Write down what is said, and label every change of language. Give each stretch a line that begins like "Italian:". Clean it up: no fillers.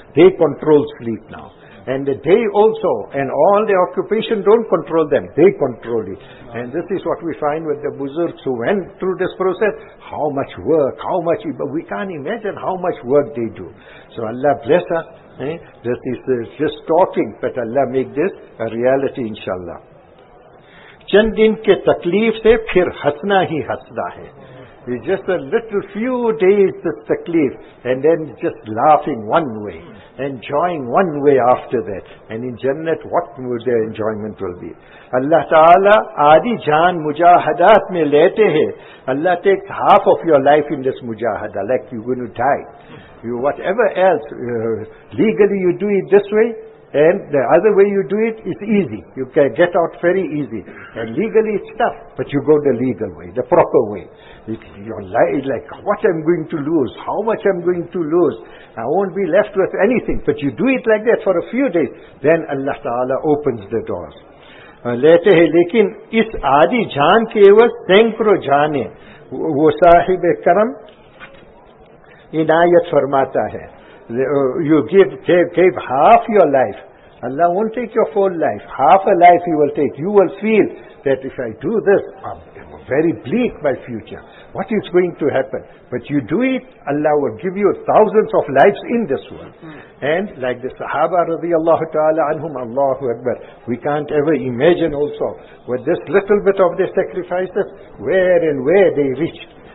English: They control sleep now. And the day also, and all the occupation don't control them. They control it. And this is what we find with the buzurgs who went through this process. How much work, how much, we can't imagine how much work they do. So Allah bless us. This is just talking, but Allah make this a reality, inshallah.
Urdu: چند دن کے تکلیف سے پھر ہسنا ہی ہسنا ہے.
English: It's just a little few days of تکلیف, and then just laughing one way, enjoying one way after that. And in Jannat, what would their enjoyment will be?
Urdu: Allah Ta'ala آدھی جان مجاہدات میں لیتے ہیں.
English: Allah takes half of your life in this mujahada, like you're going to die. You, whatever else, legally you do it this way, and the other way you do it is easy. You can get out very easy. And legally it's tough, but you go the legal way, the proper way. Your life is like, what I'm going to lose? How much I'm going to lose? I won't be left with anything. But you do it like that for a few days, then Allah Ta'ala opens the doors.
Urdu: لیتے ہیں لیکن اس آدھی جان کے عوض سینکڑوں جانیں وہ صاحب کرم عنایت فرماتا ہے.
English: You give half your life. Allah won't take your full life. Half a life He will take. You will feel that if I do this, I'm very bleak my future. What is going to happen? But you do it, Allah will give you thousands of lives in this world. And like the Sahaba radiallahu ta'ala anhum, Allahu Akbar, we can't ever imagine also with this little bit of their sacrifices, where and where they reached.